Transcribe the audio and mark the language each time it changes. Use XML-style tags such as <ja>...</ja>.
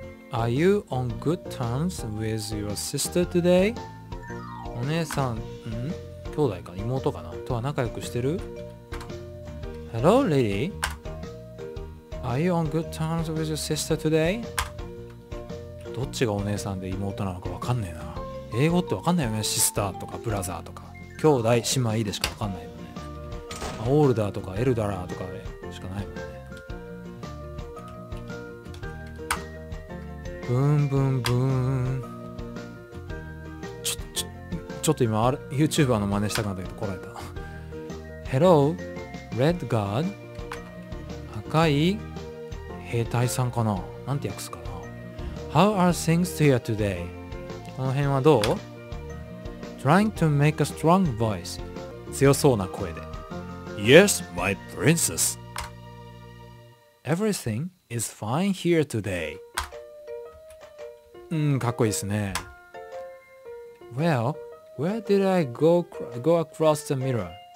<en>Are you on good terms with your sister today?</en> <ja>お姉さん、ん？兄弟か、妹かな、とは仲良くしてる？</ja> <en>Hello, Lily. Are you on good terms with your sister today?</en> <ja>どっちがお姉さんで妹なのかわかんねえな。英語ってわかんないよね。シスターとかブラザーとか。兄弟、姉妹でしかわかんないよね。オールダーとかエルダラーとかしかない。ブンブンブーン。ちょっと今ある YouTuber の真似したくなったけどこらえた。</ja> <en>Hello Red Guard。</en> <ja>赤い兵隊さんかな、なんて訳すかな。</ja> <en>How are things here today?</en> <ja>この辺はどう。</ja> <en>Trying to make a strong voice。</en> <ja>強そうな声で。</ja> <en>Yes my princess。 Everything is fine here today。</en> <ja>うん、かっこいいですね。</ja> <en>Well, where did I go across the mirror?</en>